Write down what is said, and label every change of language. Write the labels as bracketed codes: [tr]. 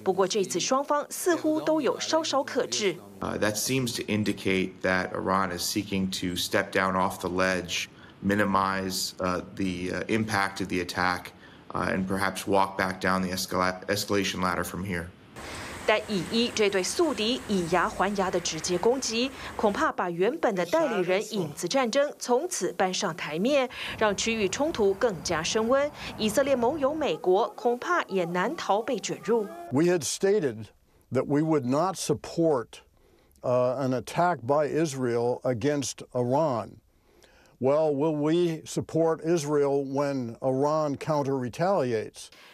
[zh] 这回以色列是为了报复伊朗，13号史上首次从境内直接攻击以国领土，发射超过300架次无人机核飞弹。不过99%都被拦截下来。而伊朗大动作空袭，则是为了报复4月1号以色列袭击伊朗驻叙利亚大使馆区，报复行动一个接一个。不过这次双方似乎都有稍稍克制。 [en] That seems to indicate that Iran is seeking to step down off the ledge, minimize the impact of the attack, and perhaps walk back down the escalation ladder from here. [zh] 但以伊这对宿敌以牙还牙的直接攻击，恐怕把原本的代理人影子战争从此搬上台面，让区域冲突更加升温。以色列盟友美国恐怕也难逃被卷入。 [en] We had stated that we would not support an attack by Israel against Iran. Well, will we support Israel when Iran counter-retaliates?